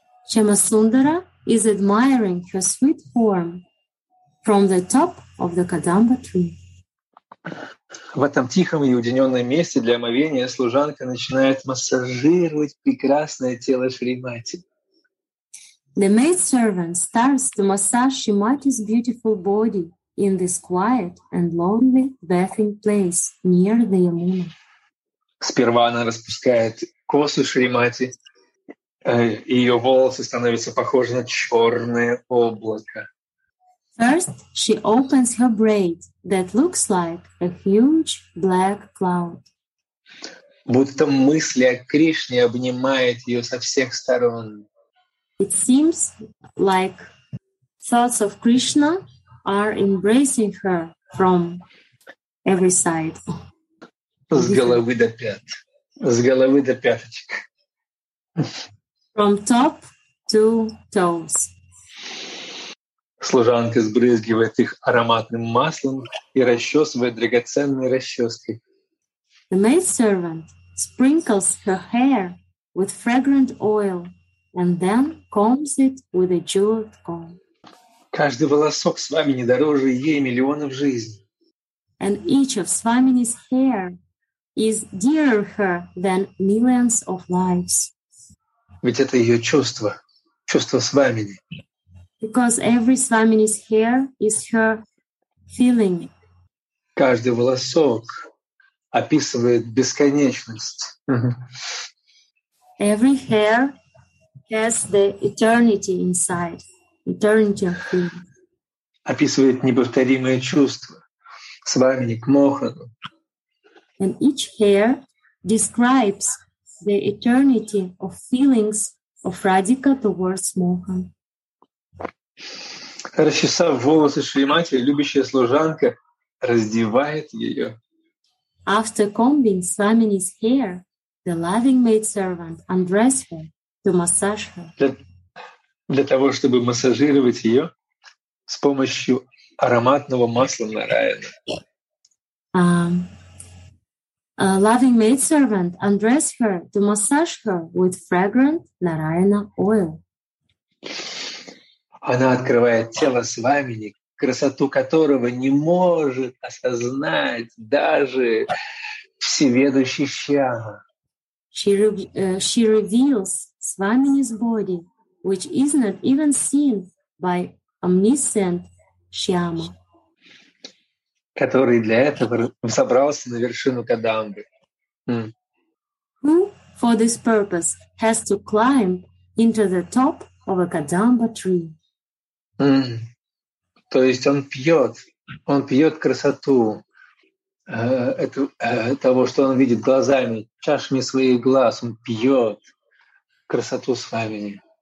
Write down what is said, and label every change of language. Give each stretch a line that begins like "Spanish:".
English: Шримасундара is admiring her sweet form from the top of the Kadamba tree.
Russian: В этом тихом и уединенном месте для омовения служанка начинает массажировать прекрасное тело Шримати.
English: The maidservant starts to massage Shimati's beautiful body in this quiet and lonely bathing place near the Yamuna.
Russian: Сперва она распускает косу Шримати, ее волосы становятся похожи на черное облако.
English: First, she opens her braid that looks like a huge black cloud.
Russian: Будто мысли о Кришне обнимают ее со всех сторон.
English: It seems like thoughts of Krishna are embracing her from every side.
Russian: С головы до пят. С головы до пяточек.
English: From top to toes.
Russian: Служанка сбрызгивает их ароматным маслом и расчесывает драгоценной расческой.
English: The maidservant sprinkles her hair with fragrant oil and then combs it with a jeweled comb.
Russian: Каждый волосок Свамини дороже ей миллионов жизней.
English: And each of Swamini's hair is dearer her than millions of lives.
Russian: Ведь это ее чувство, чувство Свамини.
English: Because every Swamini's hair is her feeling.
Russian: Каждый волосок описывает бесконечность.
English: Every hair has the eternity inside, eternity of feeling.
Russian: Описывает неповторимое чувство Свамини к Мохану.
English: And each hair describes the eternity of feelings of Radhika towards Mohan.
Russian: Расчесав волосы Шримати, любящая служанка раздевает ее.
English: After combing Swamini's hair, the loving maidservant undresses her to massage her.
Russian: Для того, чтобы массажировать ее с помощью ароматного масла Нараяна.
English: A loving maidservant undresses her to massage her with fragrant Narayana oil.
Russian: Она открывает тело Свамини, красоту которого не может осознать даже всеведущий Шьяма.
English: She reveals Swamini's body, which is not even seen by omniscient Shyama.
Russian: Который для этого взобрался на вершину Кадамбы.
English: Who for this purpose has to climb into the top of a Kadamba tree?
Russian: То есть он пьет красоту того, что он видит глазами, чашами своих глаз, он пьет красоту Свамини.